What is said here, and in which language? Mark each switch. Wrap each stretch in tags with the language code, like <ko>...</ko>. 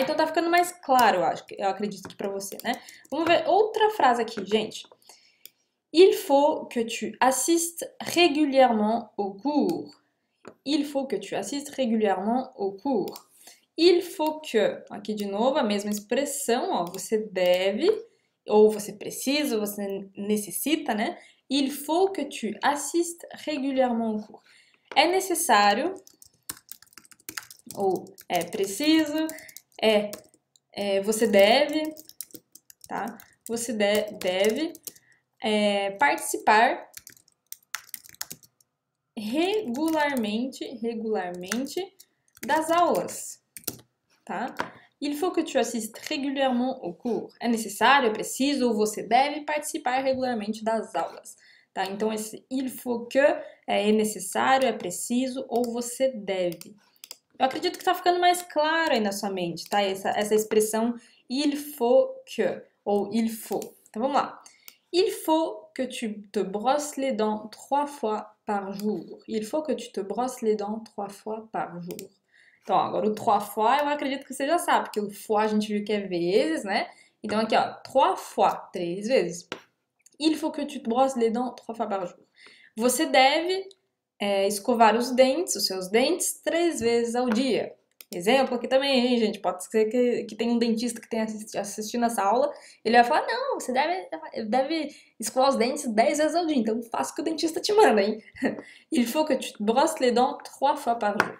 <pt>Então, tá ficando mais claro, eu acredito que pra você, né? Vamos ver outra frase aqui, gente.</pt> <fr>Il faut que tu assistes régulièrement au cours. Il faut que tu assistes régulièrement au cours.</fr> <pt>Il faut que, aqui de novo, a mesma expressão, ó, você deve, ou você precisa, você necessita, né?</pt> <fr>Il faut que tu assistes régulièrement au cours.</fr> <pt>É necessário, ou é preciso, você deve, tá? Você deve. Participar regularmente das aulas, tá?</pt> <fr>Il faut que tu assistes régulièrement au cours.</fr> <pt>É necessário, é preciso, você deve participar regularmente das aulas, tá? Então, esse il faut que é necessário, é preciso ou você deve. Eu acredito que tá ficando mais claro aí na sua mente, tá? Essa expressão il faut que ou il faut. Então, vamos lá.</pt> <fr>Il faut que tu te brosses les dents 3 fois par jour. Il faut que tu te brosses les dents 3 fois par jour.</fr> <pt>Então, agora o 3 fois, eu acredito que você já sabe, porque o fois a gente viu que é vezes, né? Então, aqui, ó, 3 fois, 3 vezes.</pt> <fr>Il faut que tu te brosses les dents 3 fois par jour.</fr> <pt>Você deve, escovar os seus dentes, 3 vezes ao dia. Exemplo aqui também, hein, gente? Pode ser que tenha um dentista que tenha assistindo essa aula. Ele vai falar: não, você deve escovar os dentes 10 vezes ao dia. Então, faça o que o dentista te manda, hein?</pt> <fr>Il faut que tu brosses les dents 3 fois par jour.</fr>